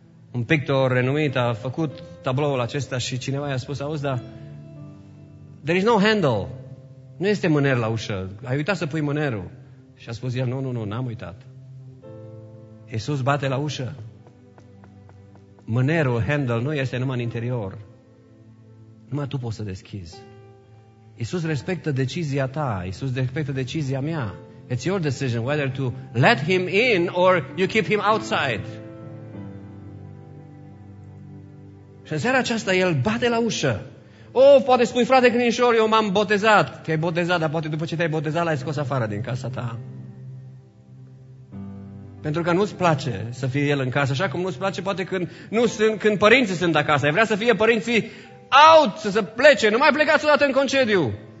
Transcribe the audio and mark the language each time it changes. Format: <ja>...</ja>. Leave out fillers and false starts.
<ro>Un pictor renumit a făcut tabloul acesta și cineva i-a spus: auzi, dar</ro> <en>there is no handle,</en> <ro>nu este mâner la ușă, ai uitat să pui mânerul? Și a spus el: nu, n-am uitat. Iisus bate la ușă. Mânerul, handle, nu este numai în interior. Numai tu poți să deschizi. Iisus respectă decizia ta, Iisus respectă decizia mea.</ro> <en>It's your decision whether to let him in or you keep him outside.</en> <ro>Și în seara aceasta el bate la ușă. Oh, poate spui: frate Crinșor, eu m-am botezat. Te-ai botezat, dar poate după ce te-ai botezat l-ai scos afară din casa ta. Pentru că nu-ți place să fie el în casă, așa cum nu-ți place poate când părinții sunt acasă. Ai vrea să fie părinții out, să se plece, nu mai plecați odată în concediu.</ro>